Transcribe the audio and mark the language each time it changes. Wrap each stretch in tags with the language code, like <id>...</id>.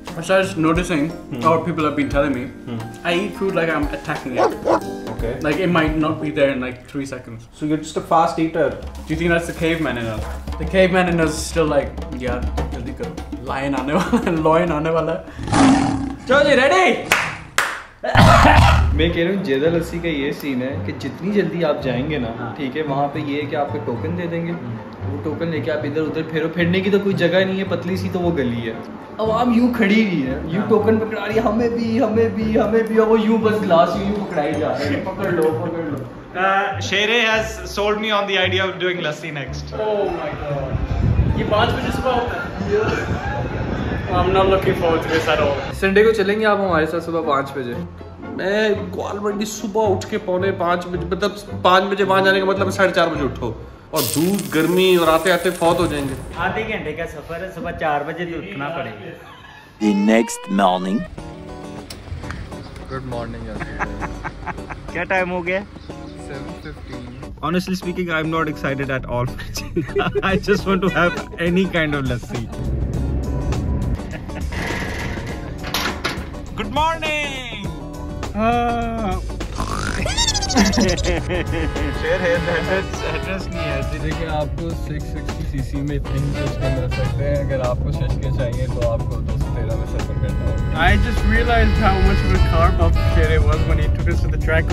<en>I started noticing, or people have been telling me, I eat food like I'm attacking it. Okay. Like it might not be there in like 3 seconds. So you're just a fast eater. Do you think that's the caveman in us? The caveman in us is still like, yeah,</en> <hi>jaldi karo. Lion आने वाला, lion आने वाला. चलो जी, ready? मैं कह रहा हूँ जेदा लस्सी का ये सीन है कि जितनी जल्दी आप जाएंगे ना, ठीक है, वहाँ पे ये है कि आपको टोकन दे देंगे, वो टोकन लेके आप इधर उधर फेरो, फेरने की तो कोई जगह नहीं है, पतली सी तो वो गली है. अब आप यूं खड़ी हुई है, यूं टोकन पकड़ा रही है, हमें भी, और वो यूं बस ग्लास यूं पकड़ाई जा रही है, पकड़ लो.</hi> <en>Shere has sold me on the idea of doing lassi next. Oh my god.</en> <hi>ये 5 बजे सुबह होता है.</hi> <en>Yeah. I'm not looking forward to this at all.</en> <hi>Sunday को चलेंगे आप हमारे साथ सुबह 5 बजे? मैं ग्वाल मंडी सुबह उठ के 4:45, मतलब 5 बजे वहाँ जाने का मतलब 4:30 बजे उठो और धूप गर्मी और आते आते फौत हो जाएंगे. आधे घंटे का सफर है, सुबह 4 बजे तो उठना पड़ेगा.</hi> <en>The next morning. Good morning.</en> <hi>क्या टाइम हो गया? 7:15.</hi> <en>Honestly speaking, I'm not excited at all. I just want to have any kind of lassi. Good morning.</en> <hi>आपको 660cc में इतनी सस्ते मिल सकते हैं. अगर आपको शशके चाहिए तो आपको 213 में सफर करना होगा.</hi> <en>I just realized how much of a car buff Shere was when he took us to the track.</en>